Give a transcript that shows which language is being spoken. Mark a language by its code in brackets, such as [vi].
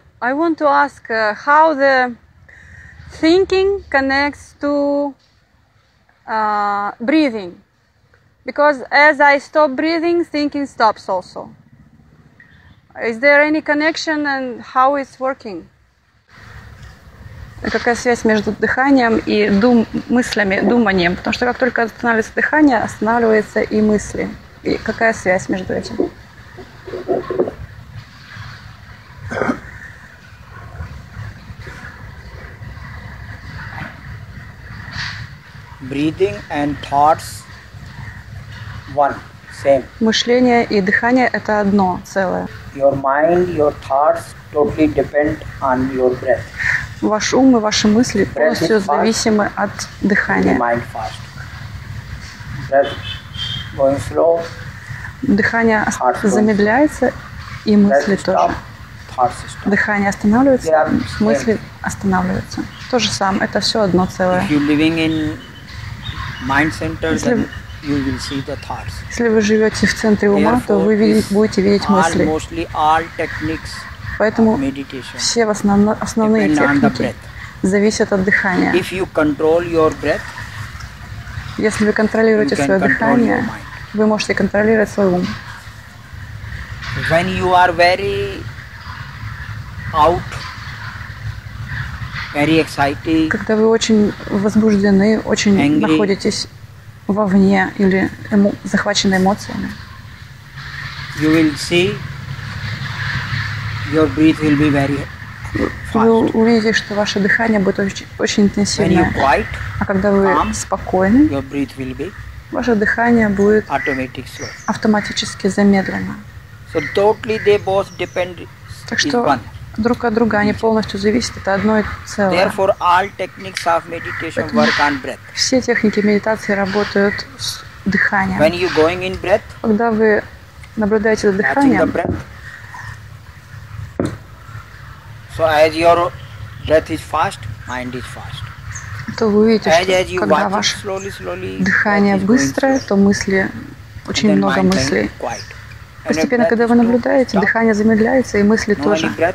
[en] I want to ask how the thinking connects to breathing, because as I stop breathing, thinking stops also. Is there any connection, and how it's working? [ru] Какая связь между дыханием и мыслями, думанием? Потому что как только останавливается дыхание, останавливаются и мысли. И какая связь между этим? [en] Breathing and thoughts one, same. [ru] Мышление и дыхание – это одно целое. [en] Your mind, your thoughts totally depend on your breath. [ru] Ваш ум и ваши мысли полностью зависимы от дыхания. [en] Mind fast. Breath going slow. [ru] Дыхание замедляется, и мысли тоже. Дыхание останавливается, мысли останавливаются. То же самое, это все одно целое. [en] If you're living in mind center, then you will see the thoughts. [ru] Если вы живете в центре ума, то вы будете видеть мысли. [en] Mostly all techniques. [ru] Поэтому все основные техники зависят от дыхания. [en] If you control your breath, [ru] если вы контролируете свое дыхание, вы можете контролировать свой ум. [en] When you are very out, very excited, [ru] когда вы очень возбуждены, очень [en] angry, [ru] находитесь вовне или захвачены эмоциями, [en] you will see your breath will be very fast. [ru] Вы увидите, что ваше дыхание будет очень интенсивное. [en] When you're quiet, [ru] а когда вы спокойны, [en] your breath will be [ru] ваше дыхание будет [en] automatic slow. [ru] Автоматически замедлено. [en] So totally they both depend [ru] так что друг от друга они полностью зависят, это одно и целое. [en] Therefore, all techniques of meditation work on breath. [ru] Все техники медитации работают с дыханием. [en] When you're going in breath, [ru] когда вы наблюдаете за дыханием, [en] so as your breath is fast, mind is fast. [ru] То вы увидите, что когда ваше дыхание быстрое, то мысли, очень много мыслей. Постепенно, когда вы наблюдаете, дыхание замедляется, и мысли тоже.